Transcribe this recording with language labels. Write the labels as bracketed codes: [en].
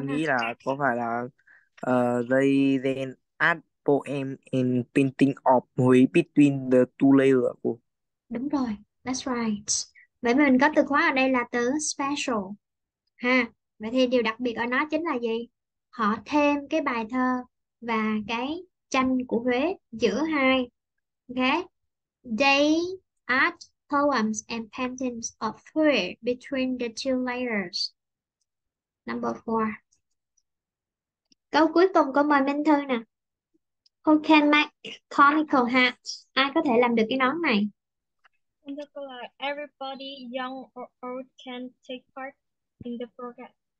[en] nghĩ là có phải là they then add poem in painting of Huế between the two layer của [vi] Đúng rồi, that's right. Vậy mình có từ khóa ở đây là từ special. Ha, vậy thì điều đặc biệt ở nó chính là gì? Họ thêm cái bài thơ và cái tranh của Huế giữa hai. [en] Okay. They add poems and paintings of Huế between the two layers. Number 4. [vi] Câu cuối cùng có mời Minh Thư nè. Who can make conical hat? Ai có thể làm được cái nón này? [en] Everybody young or old can take part in the program.